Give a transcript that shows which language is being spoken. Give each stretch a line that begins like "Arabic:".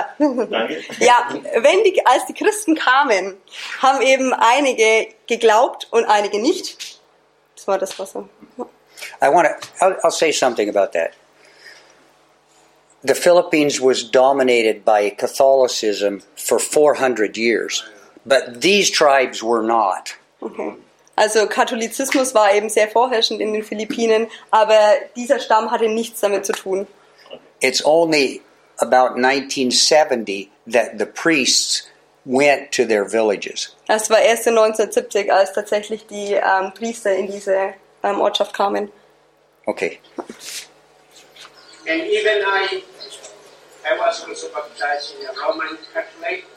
German: ja, als die Christen kamen, haben eben einige geglaubt und einige nicht. Das war das, was so.
English: I'll say something about that. The Philippines was dominated by Catholicism for 400 years. But these tribes were not. Okay.
German: Also Katholizismus war eben sehr vorherrschend in den Philippinen, aber dieser Stamm hatte nichts damit zu tun.
English: It's only about 1970 that the priests went to their villages.
German: Es war erst in 1970, als tatsächlich die Priester in diese Ortschaft kamen. Okay.
English: And even I was also baptized in a Roman Catholic.